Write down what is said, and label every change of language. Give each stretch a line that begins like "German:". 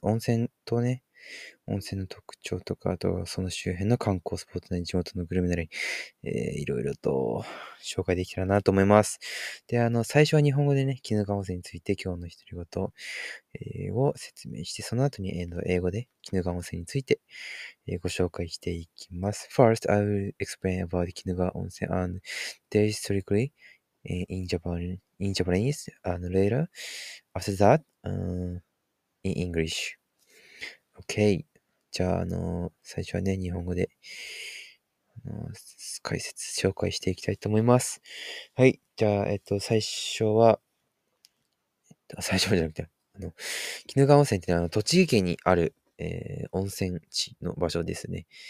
Japanese: 温泉とね、温泉の特徴とか、あとはその周辺の観光スポットね、地元のグルメなり、いろいろと紹介できたらなと思います。で、最初は日本語でね、鬼怒川温泉について今日の独り言、を説明して、その後に、英語で鬼怒川温泉について、ご紹介していきます。
English: First, I will explain about 鬼怒川温泉 and their historically in Japanese and later after that, in English. Okay.
Japanese: じゃあ、最初はね、日本語で、解説、紹介していきたいと思います。はい。じゃあ、最初は、最初はじゃなくて、鬼怒川温泉っていうのは、栃木県にある、温泉地の場所ですね。